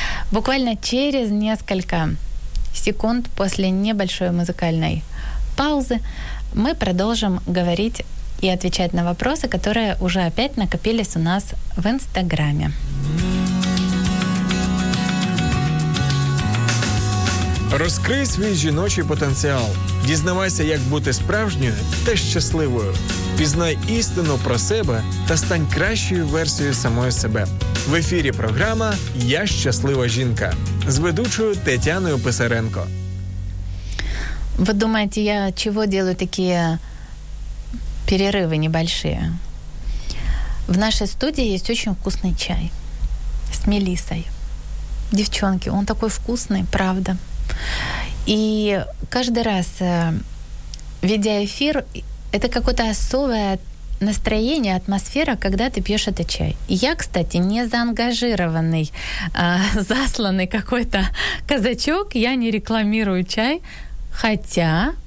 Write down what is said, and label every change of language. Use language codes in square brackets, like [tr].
[ru] Буквально через несколько секунд после небольшой музыкальной паузы мы продолжим говорить и отвечать на вопросы, которые уже опять накопились у нас в Инстаграме. [uk] Розкрий свій жіночий потенціал. Дізнавайся, як бути справжньою та щасливою. Пізнай істину про себе та стань кращою версією самої себе. В ефірі програма «Я щаслива жінка» з ведучою Тетяною Писаренко. Ви думаєте, я чого роблю такі перериви небольші? В нашій студії є дуже вкусний чай з мелісою. Дівчонки, він такий вкусний, правда. [ru] И каждый раз, ведя эфир, это какое-то особое настроение, атмосфера, когда ты пьешь этот чай. Я, кстати, не заангажированный, засланный какой-то казачок, я не рекламирую чай, хотя